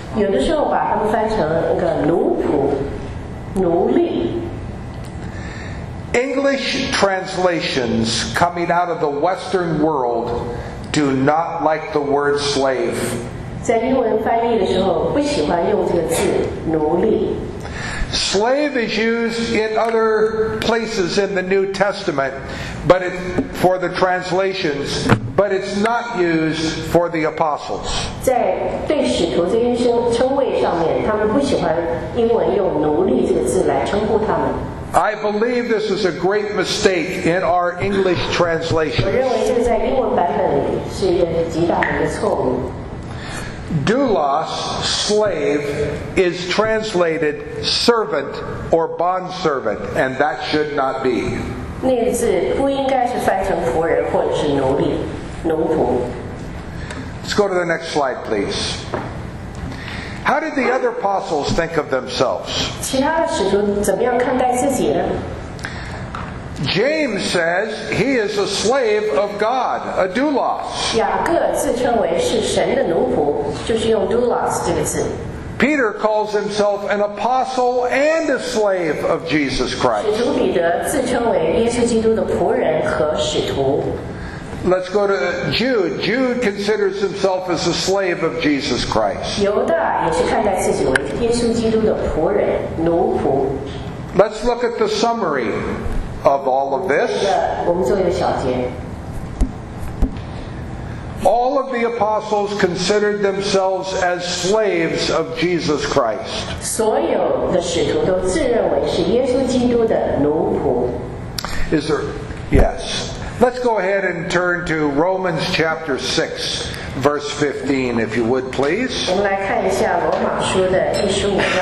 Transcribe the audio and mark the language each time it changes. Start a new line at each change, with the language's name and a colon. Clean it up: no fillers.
Chinese: 有的时候把他们翻成那个奴仆、奴隶。
English: English translations coming out of the Western world do not like the word slave.
Chinese: 在英文翻译的时候不喜欢用这个字奴隶。
English: Slave is used in other places in the New Testament, but it, for the translations, but it's not used for the apostles.
Chinese: 在对使徒这些称谓上面，他们不喜欢英文用奴隶这个字来称呼他们。
English: I believe this is a great mistake in our English translations.
Chinese: 我认为这在英文版本里是一个极大的错误。
English: Doulos, slave, is translated servant or bond servant, and that should not be.
Chinese: 那个字不应该是翻成仆人或者是奴隶、奴仆。
English: Let's go to the next slide, please. How did the other apostles think of themselves?
Chinese: 其他的使徒怎么样看待自己呢？
English: James says he is a slave of God, a doulos.
Chinese: 雅各自称为是神的奴仆，就是用 doulos 这个字。
English: Peter calls himself an apostle and a slave of Jesus Christ.
Chinese: 使徒彼得自称为耶稣基督的仆人和使徒。
English: Let's go to Jude. Jude considers himself as a slave of Jesus Christ.
Chinese: 犹大也是看待自己为耶稣基督的仆人、奴仆。
English: Let's look at the summary. Of all of this,
Chinese: 我们做一个小结。
English: All of the apostles considered themselves as slaves of Jesus Christ.
Chinese: 所有的使徒都自认为是耶稣基督的奴仆。
English: Is there? Yes. Let's go ahead and turn to Romans chapter 6, verse 15, if you would please.
Chinese: 我们来看一下罗马书的第十五章。